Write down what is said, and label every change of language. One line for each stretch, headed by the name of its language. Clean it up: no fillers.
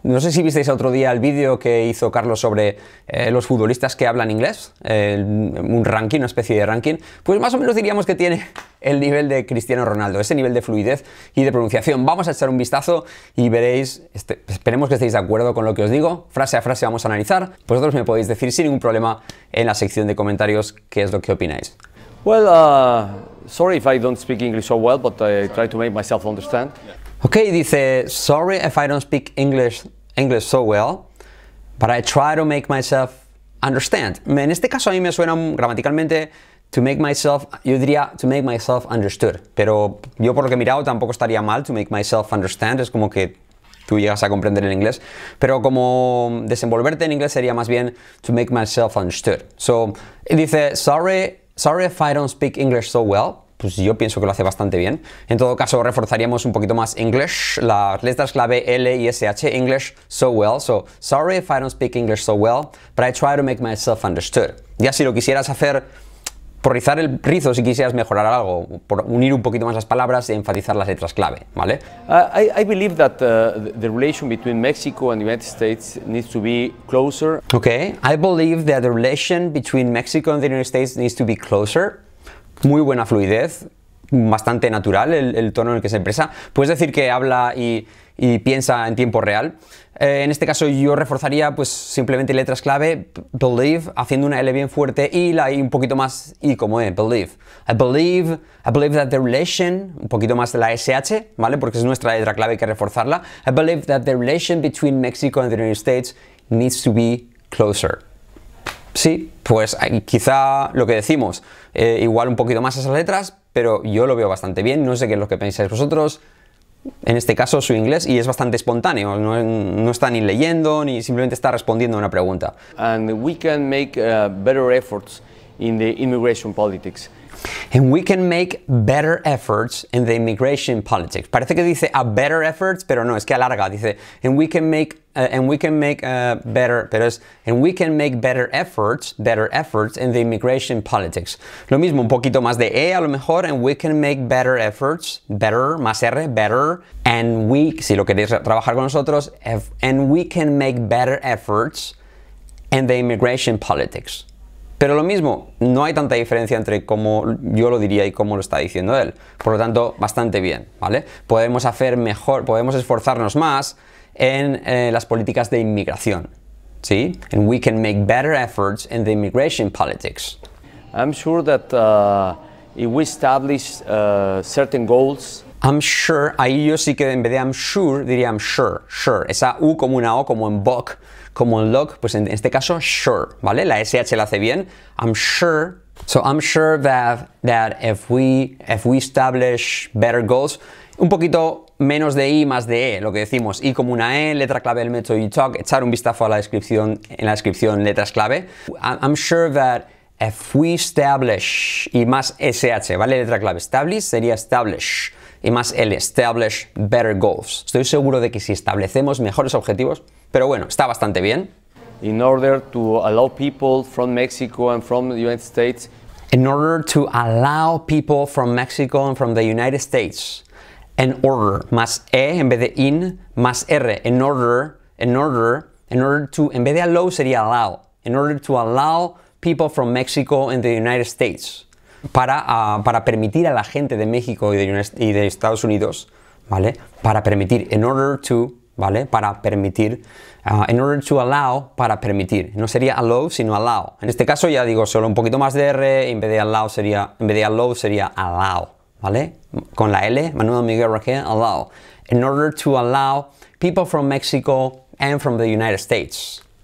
Spanish: No sé si visteis otro día el vídeo que hizo Carlos sobre los futbolistas que hablan inglés, un ranking, una especie de ranking, pues más o menos diríamos que tiene el nivel de Cristiano Ronaldo, ese nivel de fluidez y de pronunciación. Vamos a echar un vistazo y veréis, esperemos que estéis de acuerdo con lo que os digo, frase a frase vamos a analizar, vosotros me podéis decir sin ningún problema en la sección de comentarios qué es lo que opináis.
English: Well, sorry if I don't speak English so well, but I try to make myself understand.
Spanish: Ok, dice,
English: sorry if I don't speak English so well, but I try to make myself understand.
Spanish: En este caso a mí me suena gramaticalmente,
English: to make myself,
Spanish: yo diría,
English: to make myself understood.
Spanish: Pero yo por lo que he mirado tampoco estaría mal,
English: to make myself understand,
Spanish: es como que tú llegas a comprender el inglés. Pero como desenvolverte en inglés sería más bien,
English: to make myself understood. So,
Spanish: dice,
English: sorry if I don't speak English so well.
Spanish: Pues yo pienso que lo hace bastante bien. En todo caso, reforzaríamos un poquito más English, las letras clave L y SH,
English: English so well. So, sorry if I don't speak English so well, but I try to make myself understood.
Spanish: Ya si lo quisieras hacer, por rizar el rizo, si quisieras mejorar algo, por unir un poquito más las palabras y enfatizar las letras clave, ¿vale?
English: I believe that the relation between Mexico and the United States needs to be closer. Okay, I believe that the relation between Mexico and the United States needs to be closer.
Spanish: Muy buena fluidez, bastante natural el tono en el que se expresa. Puedes decir que habla y piensa en tiempo real. En este caso yo reforzaría pues simplemente letras clave, believe, haciendo una L bien fuerte y la I un poquito más I como E, believe.
English: I believe that the relation,
Spanish: un poquito más de la SH, ¿vale? Porque es nuestra letra clave, hay que reforzarla.
English: I believe that the relation between Mexico and the United States needs to be closer.
Spanish: Sí, pues quizá lo que decimos, igual un poquito más esas letras, pero yo lo veo bastante bien, no sé qué es lo que pensáis vosotros, en este caso su inglés, y es bastante espontáneo, no está ni leyendo, ni simplemente está respondiendo a una pregunta.
English: And we can make better efforts in the immigration politics. And we can make better efforts in the immigration politics.
Spanish: Parece que dice
English: a better efforts,
Spanish: pero no, es que alarga. Dice,
English: and we can make better efforts in the immigration politics.
Spanish: Lo mismo, un poquito más de E a lo mejor.
English: And we can make better efforts, better,
Spanish: más R,
English: better. And we,
Spanish: si lo queréis trabajar con nosotros,
English: and we can make better efforts in the immigration politics.
Spanish: Pero lo mismo, no hay tanta diferencia entre cómo yo lo diría y cómo lo está diciendo él. Por lo tanto, bastante bien, ¿vale? Podemos hacer mejor, podemos esforzarnos más en las políticas de inmigración, ¿sí?
English: And we can make better efforts in the immigration politics. I'm sure that if we establish certain goals. I'm sure,
Spanish: ahí yo sí que en vez de I'm sure, diría I'm sure, sure. Esa U como una O, como en book, como en lock, pues en este caso, sure, ¿vale? La SH la hace bien.
English: I'm sure, so I'm sure that if we establish better goals,
Spanish: un poquito menos de I, más de E, lo que decimos, I como una E, letra clave del método You Talk, echar un vistazo a la descripción, en la descripción, letras clave.
English: I'm sure that if we establish,
Spanish: y más SH, ¿vale? Letra clave, establish, sería establish. Y más el
English: establish better goals.
Spanish: Estoy seguro de que si establecemos mejores objetivos, pero bueno, está bastante bien.
English: in order to allow people from Mexico and from the United States. In order to allow people from Mexico and from the United States. In order,
Spanish: más E en vez de in, más R.
English: In order to,
Spanish: en vez de allow, sería allow.
English: In order to allow people from Mexico and the United States.
Spanish: Para permitir a la gente de México y de Estados Unidos, ¿vale? Para permitir, in order to, ¿vale? Para permitir,
English: in order to allow,
Spanish: para permitir. No sería allow, sino allow. En este caso ya digo solo un poquito más de R, en vez de allow sería allow, ¿vale? Con la L, Manuel Miguel Raquel, allow.
English: In order to allow people from Mexico and from the United States.